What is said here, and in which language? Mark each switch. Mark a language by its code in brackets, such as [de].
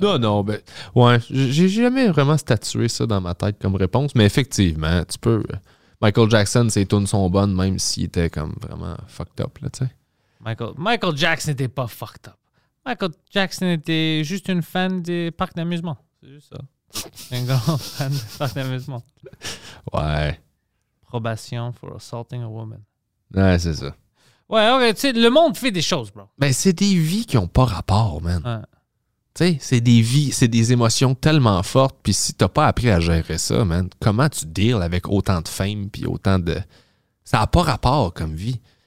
[fr] Non, ben ouais, j'ai jamais vraiment statué ça dans ma tête comme réponse, mais effectivement, tu peux... Michael Jackson, ses tunes sont bonnes, même s'il était comme vraiment fucked up, là, tu sais. Michael Jackson n'était pas fucked up. Michael Jackson était juste une fan des parcs d'amusement, c'est juste ça. Un grand fan de parc d'amusement. Ouais. [en] Probation for assaulting a woman. [fr] Ouais, c'est ça. Ouais, ok, tu sais, le monde fait des choses, bro. Ben, c'est des vies qui n'ont pas rapport, man. Ouais. Tu sais, c'est des vies, c'est des émotions tellement fortes. Puis si t'as pas appris à gérer ça, man, comment tu deals avec autant de fame puis autant de. Ça n'a pas rapport comme vie.